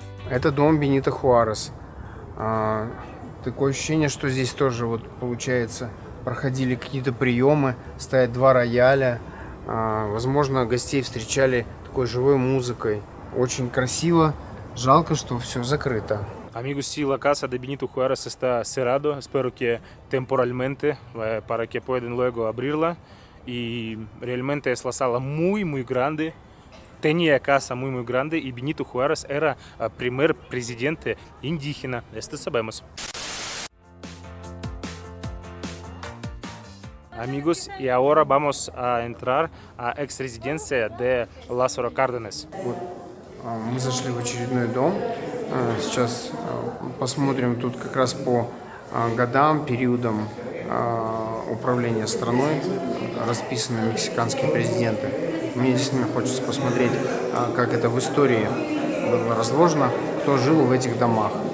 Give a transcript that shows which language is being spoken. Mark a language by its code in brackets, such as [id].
[ru] Это дом Бенито Хуарес. Такое ощущение, что здесь тоже, вот, получается, проходили какие-то приемы. Стоят два рояля. Возможно, гостей встречали такой живой музыкой. Очень красиво. Жалко, что все закрыто. [es] Amigos, sí, la casa de Benito Juárez está cerrada, espero que temporalmente, para que puedan luego abrirla. Y realmente es la sala muy, muy grande, tenía casa muy, muy grande, y Benito Juárez era primer presidente indígena, esto sabemos. Amigos, y ahora vamos a entrar a ex-residencia de Lázaro Cárdenas. [ru] Мы зашли в очередной дом. Сейчас посмотрим тут как раз по годам, периодам управления страной. Расписаны мексиканские президенты. Мне действительно хочется посмотреть, как это в истории было разложено, кто жил в этих домах.